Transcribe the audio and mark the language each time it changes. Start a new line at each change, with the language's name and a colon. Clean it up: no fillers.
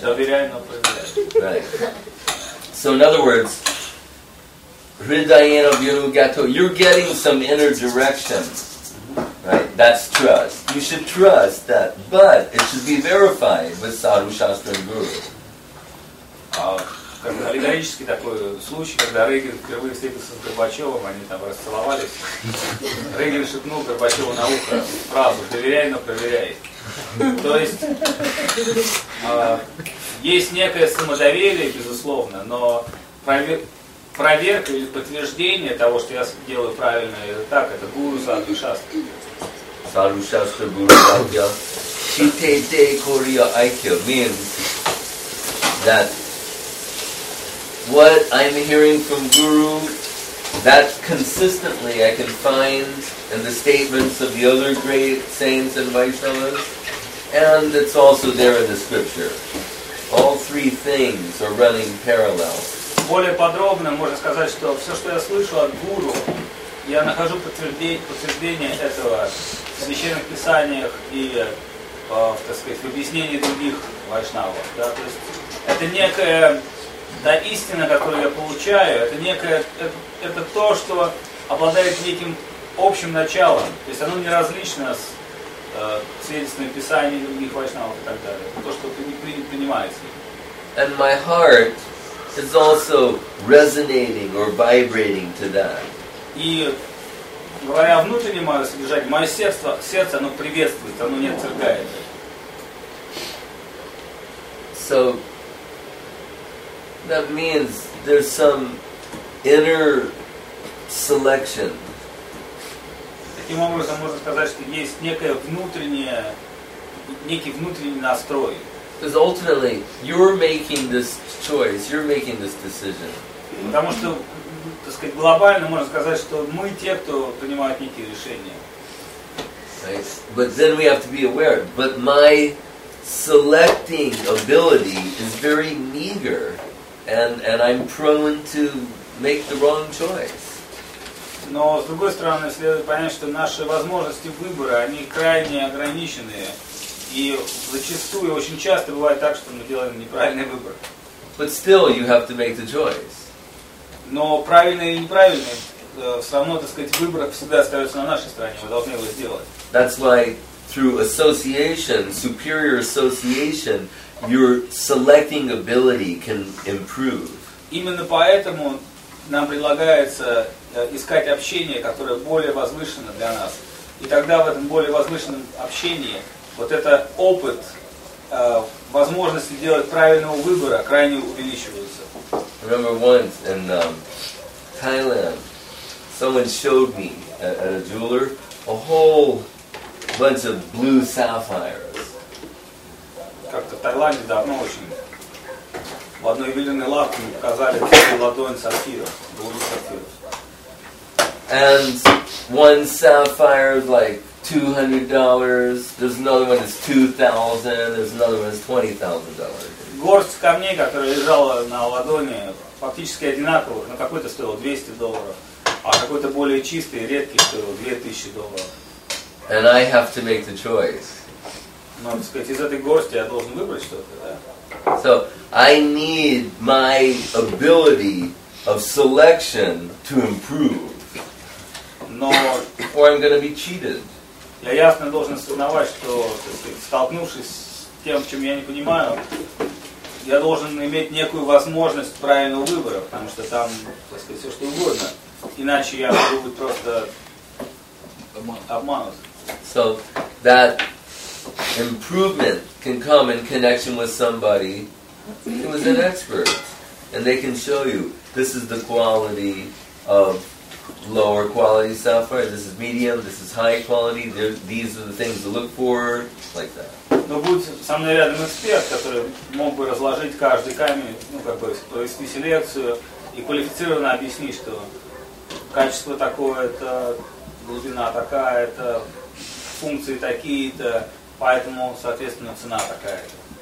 Russian: Доверяй, но проверяй.
English: Right. So in other words,
Sanskrit: Hridayena Vyunu Gato,
English: you're getting some inner direction. Right, that's trust. You should trust that, but it should be verified with sadhu, shastra, and guru.
Russian: Как бы аллегорический такой случай, когда Рейган впервые встретился с Горбачевым, они там расцеловались, Рейган шепнул Горбачеву на ухо фразу «доверяй, но проверяй». То есть, есть некое самодоверие, безусловно, но проверка или подтверждение того, что я делаю правильно, это так, это гуру, сатру, шастру. Сатру, шастру, гуру, сатья.
Sanskrit: Чите, те, курия, айкья,
English: means that what I'm hearing from Guru, that consistently I can find in the statements of the other great saints and Vaishnavas, and it's also there in the scripture. All three things are running parallel.
Russian: Более подробно можно сказать, что все, что я слышал от Гуру, я нахожу подтверждение этого в священных писаниях и, так сказать, в объяснении других Вайшнавов. Да? То есть это некая та истина, которую я получаю, это некое, это то, что обладает неким общим началом. То есть оно не различно с свидетельствами писаний других Вайшнавов и так далее. То, что принимается.
English: And my heart is also resonating or vibrating to that.
Russian: И говоря о внутреннем моем содержании, мое сердце оно приветствует, оно не отвергает.
English: So that means there's some inner selection.
Russian: Таким образом можно сказать, что есть некое внутренний настрой.
English: Because ultimately, you're making this choice, you're making this decision.
Russian: Потому что, так сказать, глобально можно сказать, что мы те, кто принимает некие решения.
English: Right. But then we have to be aware. But my selecting ability is very meager, and I'm prone to make the wrong choice.
Russian: Но, с другой стороны, следует понять, что наши возможности выбора, они крайне ограничены. И зачастую, очень часто бывает так, что мы делаем неправильный выбор.
English: But still you have to make the choice.
Russian: Но правильный или неправильный, все равно, так сказать, выбор всегда остается на нашей стороне, мы должны его сделать.
English: That's why through association, superior association, your selecting ability can improve.
Russian: Именно поэтому нам предлагается искать общение, которое более возвышено для нас. И тогда в этом более возвышенном общении вот это опыт возможности делать правильного выбора крайне увеличивается.
English: Remember once in Thailand, someone showed me at a jeweler a whole bunch of blue sapphires.
Russian: Как-то в Таиланде давно очень в одной ювелирной лавке мне показали целую ладонь сапфиров, голубых сапфиров.
English: And one sapphire like $200, there's another one that's $2,000, there's another one that's $20,000.
Russian: Горсть камней, которая лежала на ладони, фактически одинаковых, но какой-то стоил $200, а какой-то более чистый, редкий стоил $2000.
English: And I have to make the choice.
Russian: Ну, так сказать, из этой горсти я должен выбрать что-то, да?
English: So, I need my ability of selection to improve.
Russian: Но,
English: or I'm going to be cheated.
Russian: Я ясно должен осознавать, что, так сказать, столкнувшись с тем, чем я не понимаю, я должен иметь некую возможность правильного выбора, потому что там, так сказать, все что угодно. Иначе я могу быть просто обманут.
English: So, that improvement can come in connection with somebody who is an expert. And they can show you, this is the quality of lower quality sapphire, this is medium, this is high quality, these are the things to look for, like that.
Russian: Но будь со мной рядом эксперт, который мог бы разложить каждый камень, ну как бы провести селекцию и квалифицированно объяснить, что качество такое-то, глубина такая-то, функции такие-то, поэтому, соответственно, цена такая-то.